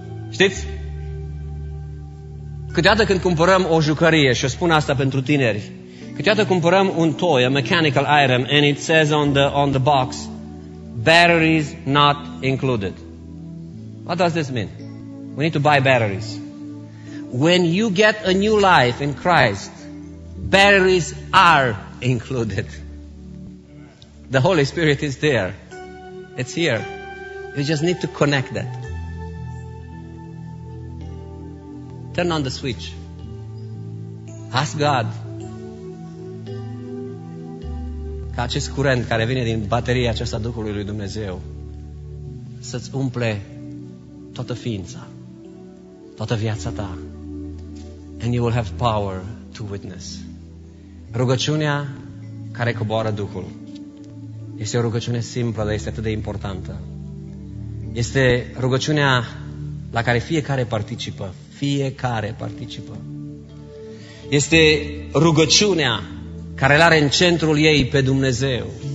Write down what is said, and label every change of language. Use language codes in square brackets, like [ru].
[ro] Știți? Câteodată când cumpărăm o jucărie, și o spun asta pentru tineri, câteodată cumpărăm un toy, [en] a mechanical item, and it says on the box, batteries not included. What does this mean? We need to buy batteries. When you get a new life in Christ, batteries are included. The Holy Spirit is there. It's here. You just need to connect that. Turn on the switch. Ask God. [ro] Ca acest curent care vine din bateria aceasta Duhului lui Dumnezeu să-ți umple toată ființa, toată viața ta. [en] And you will have power to witness. [ro] Rugăciunea care coboară Duhul. Este o rugăciune simplă, dar este atât de importantă. Este rugăciunea la care fiecare participă. Fiecare participă. Este rugăciunea care l-are în centrul ei pe Dumnezeu.